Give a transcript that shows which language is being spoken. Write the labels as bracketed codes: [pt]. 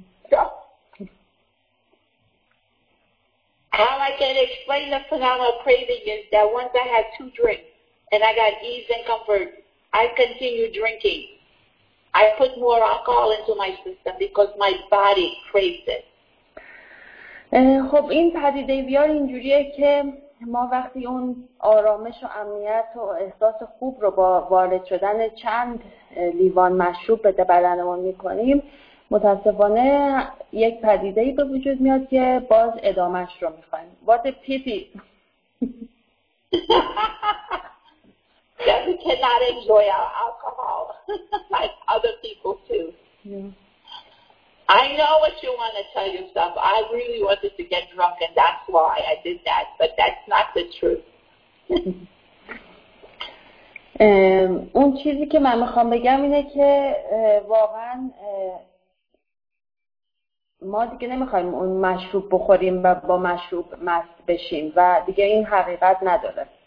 [en] So, how I can explain the phenomenal craving is that once I had two drinks and I got ease and comfort, I continued drinking. I put more alcohol into my system because my body craves it. [fa] خب این پدیده ویار اینجوریه که ما وقتی اون آرامش و امنیت و احساس خوب رو با وارد شدن چند لیوان مشروب به بدنمون میکنیم، متاسفانه یک پدیده ای به وجود میاد که باز ادامهش رو میخوایم. [en] What a pity. That we cannot enjoy our alcohol like other people too. Yeah. I know what you want to tell yourself. I really wanted to get drunk and that's why I did that. But that's not the truth. [fa] اون چیزی که من میخوام بگم اینه که واقعا ما دیگه نمیخوایم اون مشروب بخوریم و با مشروب مست بشیم و دیگه این حقیقت نداره.